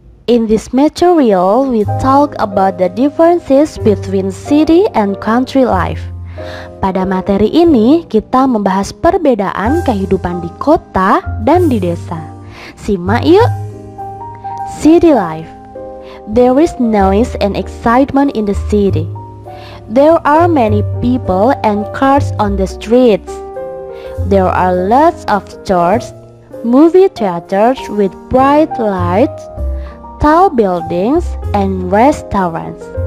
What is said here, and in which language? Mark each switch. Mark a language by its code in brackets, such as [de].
[en] In this material, we talk about the differences between city and country life. [id] Pada materi ini, kita membahas perbedaan kehidupan di kota dan di desa. Simak yuk! [en] City life. There is noise and excitement in the city. There are many people and cars on the streets. There are lots of stores, movie theaters with bright lights, tall buildings, and restaurants.